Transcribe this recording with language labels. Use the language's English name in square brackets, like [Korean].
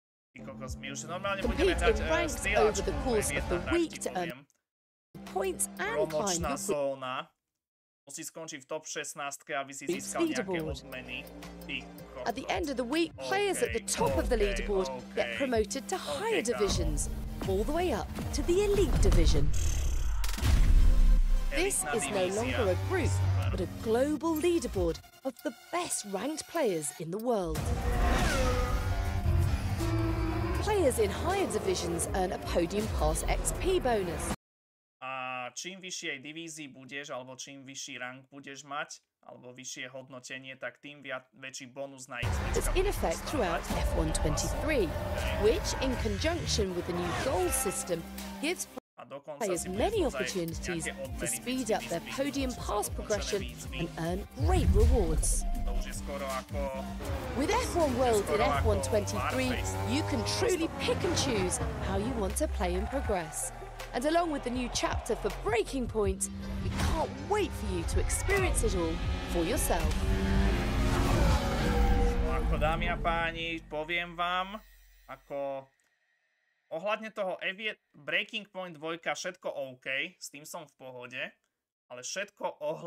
[Slovak] Ty kokos, my už normálne budeme hrať stíľačku v F1, promočná zóna. Musí skončiť v top 16, aby si získal nejaké odmeny. [English] At the end of the week, players at the top of the leaderboard get promoted to higher divisions, all the way up to the elite division. This is no longer a group, but a global leaderboard of the best ranked players in the world. Players in higher divisions earn a podium pass XP bonus. [Slovak] Čím vyššie divízii budeš, alebo čím vyšší rank budeš mať, alebo vyššie hodnotenie, tak tým väčší bonus na XP. [English] It's in effect throughout F1 23, which in conjunction with the new goal system gives players many opportunities to speed up their podium pass progression and earn great rewards. With F1 World in F1 23, you can truly pick and choose how you want to play and progress. And along with the new chapter for Breaking Point, we can't wait for you to experience it all for yourself. [Slovak] No ako, dámy a páni, poviem vám, ako ohľadne toho Breaking Point 2, všetko OK, s tým som v pohode, ale všetko